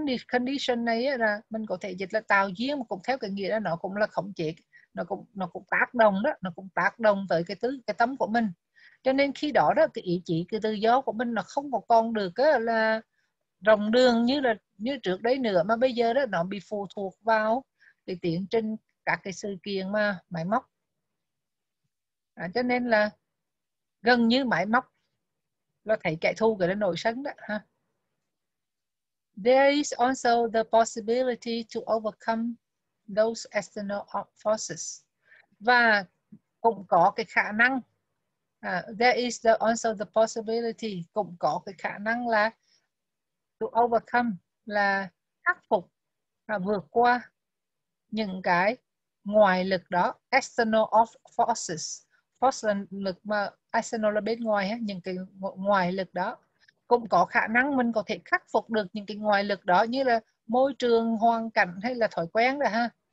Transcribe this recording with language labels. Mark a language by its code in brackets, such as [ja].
[vi] condition này là mình có thể dịch là tạo duyên, mà cũng theo cái nghĩa là nó cũng là khống chế, nó cũng tác động đó, nó cũng tác động tới cái tâm của mình, cho nên khi đó đó cái ý chí, cái tự do của mình nó không còn được là rộng đường như là như trước đấy nữa, mà bây giờ đó nó bị phụ thuộc vào cái tiến trình các cái sự kiện mà máy móc. À, cho nên là gần như máy móc là thấy kẻ thù cái nổi sân đó ha. [en] There is also the possibility to overcome those external forces. [vi] Và cũng có cái khả năng là [en] to overcome [vi] là khắc phục và vượt qua những cái ngoại lực đó, [en] external of forces, [vi] force là lực mà external là bên ngoài ha, những cái ngoại lực đó cũng có khả năng mình có thể khắc phục được những cái ngoại lực đó như là môi trường, hoàn cảnh hay là thói quen đó ha.